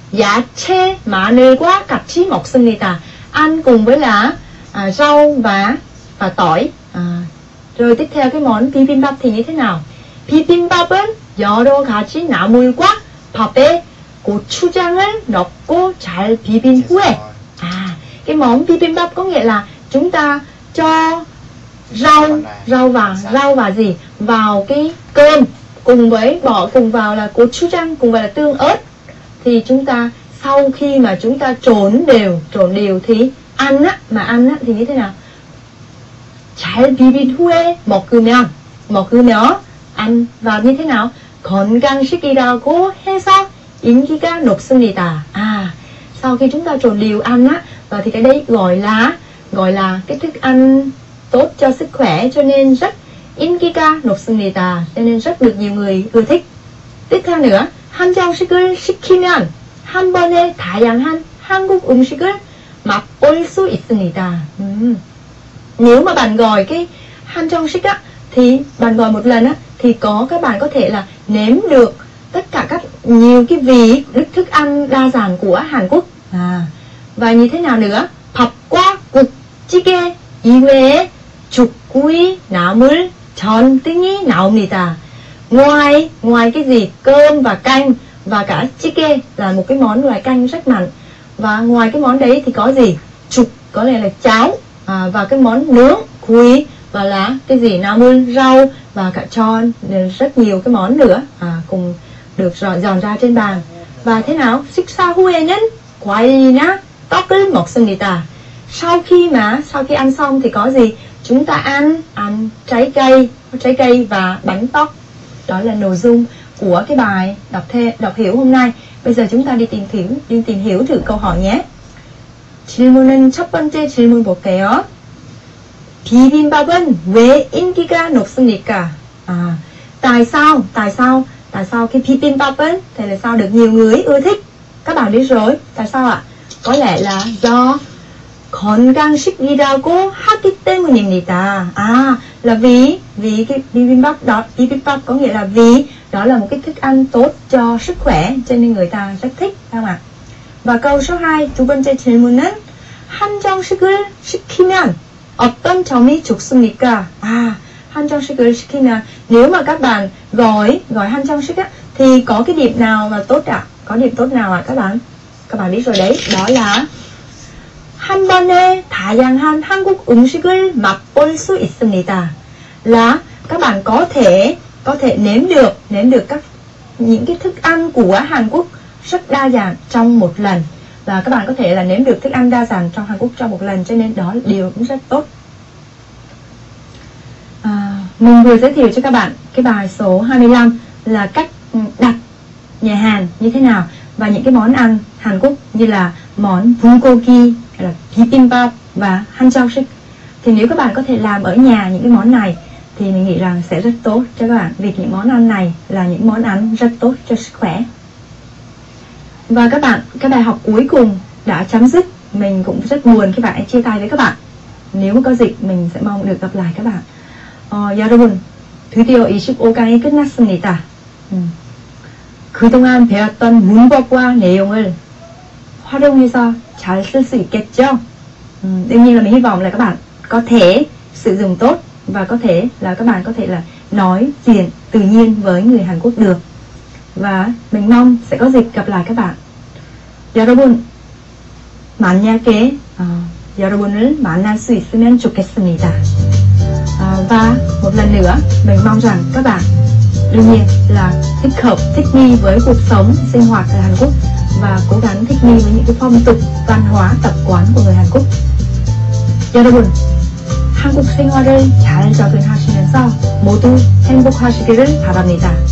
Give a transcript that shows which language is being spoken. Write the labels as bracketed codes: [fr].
[ko] 야채 마늘과 같이 먹습니다. [vi] Ăn cùng với là rau và tỏi. Rồi tiếp theo cái món bibimbap thì như thế nào? [ko] Bibimbap은 여러 가지 나물과 밥에 고추장을 넣고 잘 비빈 후에 [vi] cái món bibimbap có nghĩa là chúng ta cho rau và gì vào cái cơm cùng với bỏ cùng vào là gochujang cùng vào là tương ớt, thì chúng ta sau khi mà chúng ta trộn đều thì ăn á thì như thế nào? [ko] 잘 비빈 후에 먹으면 [vi] ăn vào như thế nào? [ko] 건강식이라고 해서 인기가 높습니다. [vi] Sau khi chúng ta trộn đều ăn á thì cái đấy gọi là cái thức ăn tốt cho sức khỏe, cho nên rất [ko] 인기가 높습니다. [vi] Cho nên rất được nhiều người ưa thích. Tiếp theo nữa, [ko] 한정식을 시키면 한 번에 다양한 한국 음식을 맛볼 수 있습니다. [vi] Nếu mà bạn gọi cái 한정식 á thì bạn gọi một lần á thì các bạn có thể là nếm được tất cả các nhiều cái vị thức ăn đa dạng của Hàn Quốc. Và như thế nào nữa? [ko] 밥과 국찌개 이외에 죽구이 나물 전 등이 나옵니다. [vi] Ngoài cái gì? Cơm và canh và cả 찌개 là một cái món loại canh rất mạnh. Và ngoài cái món đấy thì có gì? 죽 có lẽ là cháo và cái món nướng, 구이 và là cái gì? 나물, rau và cả chon, rất nhiều cái món nữa cùng được dọn ra trên bàn. Và thế nào? [ko] 식사 후에는 과일이나 떡을 먹습니다. [vi] Sau khi ăn xong thì có gì? Chúng ta ăn trái cây và bánh tóc. Đó là nội dung của cái bài đọc hiểu hôm nay. Bây giờ chúng ta đi tìm hiểu thử câu hỏi nhé. [ko] 질문은 첫 번째 질문 볼게요. 비빔밥은 왜 인기가 높습니까? [vi] Tại sao cái 비빔밥은 thì là sao được nhiều người ưa thích? Các bạn biết rồi, tại sao ạ? Có lẽ là do [ko] 건강식이라고 하기 때문입니다. [vi] Là vì cái bibimbap đó, bibimbap có nghĩa là vì đó là một cái thức ăn tốt cho sức khỏe, cho nên người ta rất thích, phải không ạ? Và câu số 2, [ko] 두 번째 질문은 한정식을 시키면 어떤 점이 좋습니까? 한정식을 시키면, [vi] nếu mà các bạn gọi 한정식 á thì có cái điểm nào là tốt ạ? Có điểm tốt nào ạ các bạn? Các bạn biết rồi đấy, đó là [ko] 한 번에 다양한 한국 음식을 맛볼 수 있습니다. [vi] Là các bạn có thể nếm được các những cái thức ăn của Hàn Quốc rất đa dạng trong một lần. Và các bạn có thể là nếm được thức ăn đa dạng trong Hàn Quốc trong một lần, cho nên đó là điều cũng rất tốt. Mình vừa giới thiệu cho các bạn cái bài số 25 là cách đặt nhà hàng như thế nào và những cái món ăn Hàn Quốc như là món 불고기, là bibimbap và 한정식. Thì nếu các bạn có thể làm ở nhà những cái món này thì mình nghĩ rằng sẽ rất tốt cho các bạn, vì những món ăn này là những món ăn rất tốt cho sức khỏe. Và các bạn, cái bài học cuối cùng đã chấm dứt. Mình cũng rất buồn khi phải chia tay với các bạn. nếu có dịp mình sẽ mong được gặp lại các bạn. [ko] 여러분, 드디어 25강이 끝났습니다. 그동안 배웠던 문법과 내용을 활용해서 잘 쓸 수 있겠죠? [vi] Đương nhiên là mình hy vọng là các bạn có thể sử dụng tốt và có thể là các bạn có thể là nói chuyện tự nhiên với người Hàn Quốc được. Và mình mong sẽ có dịp gặp lại các bạn. [ko] 여러분, 만약에 여러분을 만날 수 있으면 좋겠습니다. [vi] Và một lần nữa, mình mong rằng các bạn đương nhiên là thích hợp, thích nghi với cuộc sống, sinh hoạt ở Hàn Quốc và cố gắng thích nghi với những cái phong tục, văn hóa, tập quán của người Hàn Quốc. [ko] 여러분, 한국 생활을 잘 적응하시면서 모두 행복하시기를 바랍니다.